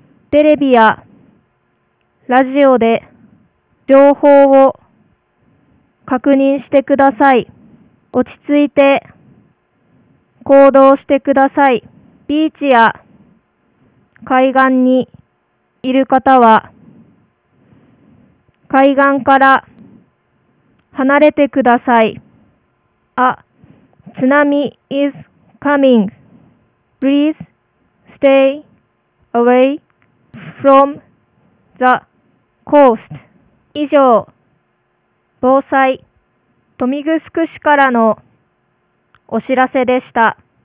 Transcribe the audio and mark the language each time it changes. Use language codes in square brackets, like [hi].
[ja] テレビやラジオで情報を確認してください。落ち着いて行動してください。ビーチや海岸にいる方は海岸から離れてください。 [en] あ、津波 is coming. Please stay away from the coast. [ja] 以上、防災豊見城市からのお知らせでした。